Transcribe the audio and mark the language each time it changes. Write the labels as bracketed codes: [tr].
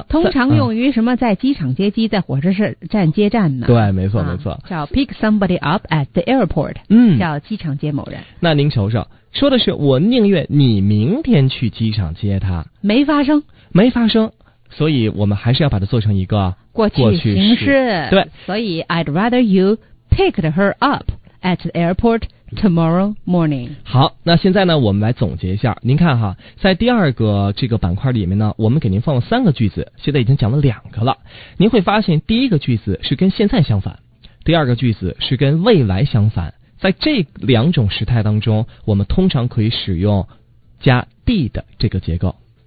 [zh] 通常用于什么？在机场接机，在火车站接站呢？对，没错，没错。叫 [en] pick somebody up at the airport。 [zh] 嗯，叫机场接某人。那您瞅瞅，说的是我宁愿你明天去机场接他。没发生，没发生。所以我们还是要把它做成一个过去形式。对，所以 [en] I'd rather you picked her up at the airport tomorrow morning。 [zh] 好，那现在呢我们来总结一下。您看哈，在第二个这个板块里面呢，我们给您放了三个句子，现在已经讲了两个了。您会发现第一个句子是跟现在相反，第二个句子是跟未来相反。在这两种时态当中，我们通常可以使用加 did 这个结构。